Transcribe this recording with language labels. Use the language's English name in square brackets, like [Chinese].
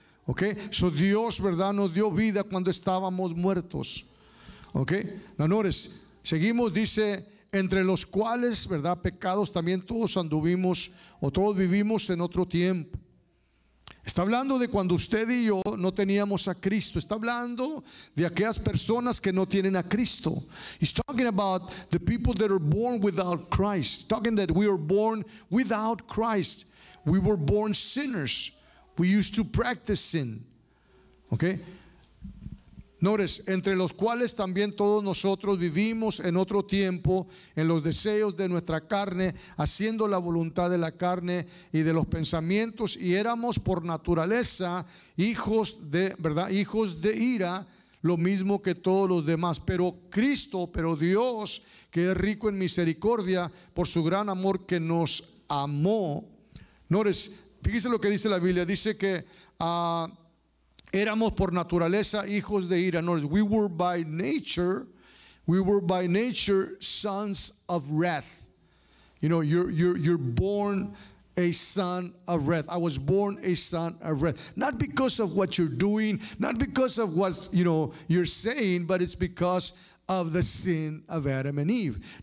[English] Okay? So [Spanish] Dios, ¿verdad?, nos dio vida cuando estábamos muertos. [English] Okay? Now notice, [Spanish] seguimos, dice, entre los cuales, ¿verdad?, pecados también todos anduvimos o todos vivimos en otro tiempo. Está hablando de cuando usted y yo no teníamos a Cristo. Está hablando de aquellas personas que no tienen a Cristo. [English] He's talking about the people that are born without Christ. He's talking that we are born without Christ. We were born sinners. We used to practice sin. Okay? Notice, [Spanish] entre los cuales también todos nosotros vivimos en otro tiempo, en los deseos de nuestra carne, haciendo la voluntad de la carne y de los pensamientos, y éramos por naturaleza hijos de, ¿verdad?, hijos de ira, lo mismo que todos los demás. Pero Cristo, pero Dios, que es rico en misericordia, por su gran amor que nos amó. [English] Notice, [Spanish] fíjese lo que dice la Biblia, dice que éramos por naturaleza hijos de ira. [English] Notice, we were by nature sons of wrath. You know, you're born a son of wrath. I was born a son of wrath. Not because of what you're doing, not because of what, you know, you're saying, but it's because of the sin of Adam and Eve.